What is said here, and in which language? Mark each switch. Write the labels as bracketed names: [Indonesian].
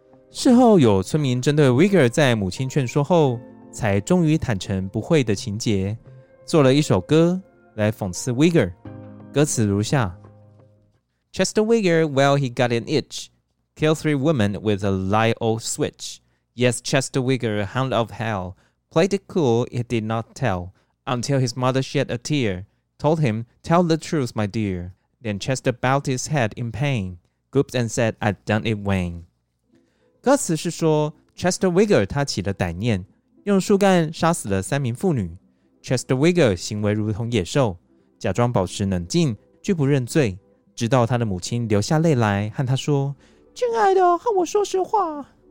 [Chinese] 事后有村民针对 Vigor 在母亲劝说后才终于坦诚不讳的情节，做了一首歌来讽刺 Vigor， 歌词如下， [English] Chester Vigor, well he got an itch, kill three women with a light old switch. Yes, Chester Vigor, hound of hell, played it cool, he did not tellUntil his mother shed a tear, told him, tell the truth, my dear. Then Chester bowed his head in pain, gulped and said, I've done it, Wayne. [Chinese] 歌词是说 ,Chester Vigor 他起了歹念，用树干杀死了三名妇女。 Chester Vigor 行为如同野兽，假装保持冷静，拒不认罪，直到他的母亲流下泪来和他说，亲爱的，和我说实话。